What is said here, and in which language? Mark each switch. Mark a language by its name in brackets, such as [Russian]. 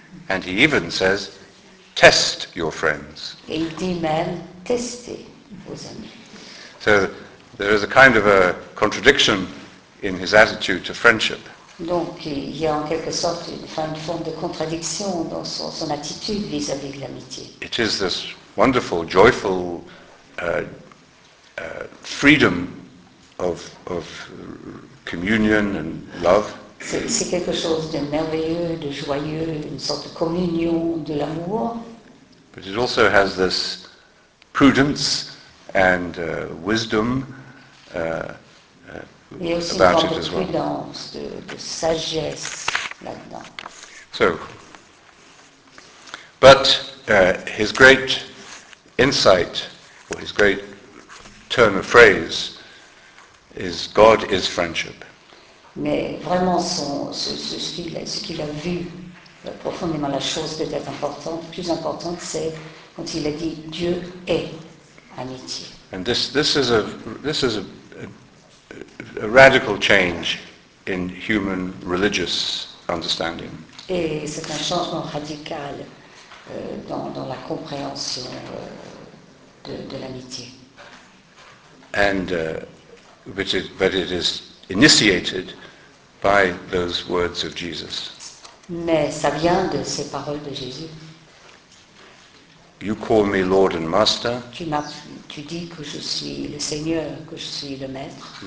[English] And he even says, test your friends. [French] Et il dit même, testez vos amis. [English] So there is a kind of a contradiction in his attitude to friendship. [French] Donc il y a en quelque sorte une forme de contradiction dans son attitude vis-à-vis de l'amitié. [English] It is this wonderful, joyful freedom of communion and love. [French] C'est quelque chose de merveilleux, de joyeux, une sorte de communion, de l'amour. [English] But it also has this prudence and wisdom. [French] Il y a aussi une forme de prudence, de sagesse là-dedans. [English] So, but his great insight, or his great turn of phrase, is God is friendship. [French] Mais vraiment, ce qu'il a vu profondément, la chose peut être importante, plus importante, c'est quand il a dit Dieu est amitié. [English] And this is a radical change in human religious understanding. [French] Et c'est un changement radical dans la compréhension de l'amitié. [English] And but it is initiated by those words of Jesus. [French] Mais ça vient de ces paroles de Jésus. [English] You call me Lord and Master. [French] Tu dis que je suis le Seigneur, que je suis le Maître.